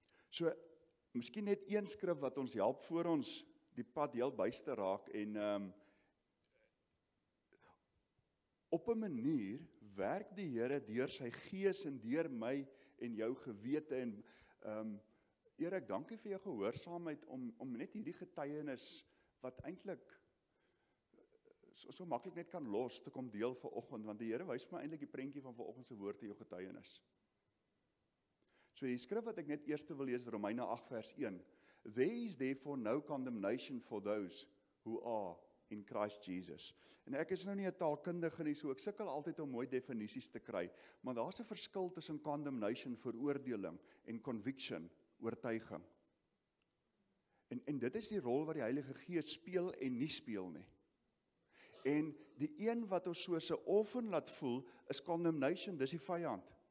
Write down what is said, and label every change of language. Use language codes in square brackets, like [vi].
[af] So, miskien net een skrif wat ons help voor ons die pad heel byste raak, en op 'n manier werk die Here deur sy gees en deur my en jou gewete en Erik, dankie vir jou gehoorsaamheid om net hierdie getuienis wat eintlik so maklik net kan los te kom deel vanoggend, want die Here wys my eintlik die prentjie van vanoggend se woord in jou getuienis. So die skrif wat ek net eers wil lees, Romeine 8 vers 1. [en] There is therefore no condemnation for those who are in Christ Jesus. [af] En ek is nou nie 'n taalkundige nie, so ek sukkel altyd om mooi definisies te kry, maar daar's 'n verskil tussen condemnation, veroordeling, en conviction, oortuiging. En dit is die rol wat die Heilige Gees speel en nie speel nie. En die een wat ons soos 'n orphan laat voel, is condemnation, dis die vyand.